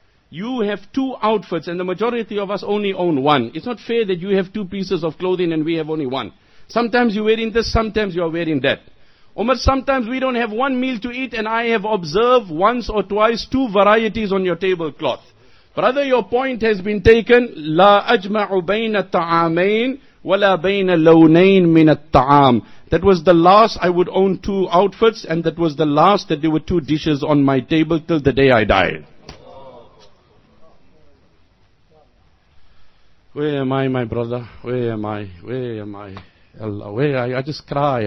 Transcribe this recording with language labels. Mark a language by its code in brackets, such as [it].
[en] You have two outfits and the majority of us only own one. It's not fair that you have two pieces of clothing and we have only one. Sometimes you're wearing this, sometimes you're wearing that. Umar, sometimes we don't have one meal to eat and I have observed once or twice two varieties on your tablecloth. Brother, your point has been taken. [ar] لا أجمع بين الطعامين ولا بين لونين من الطعام. [en] That was the last I would own two outfits and that was the last that there were two dishes on my table till the day I died. Where am I, my brother? Where am I? Allah, where? I just cry.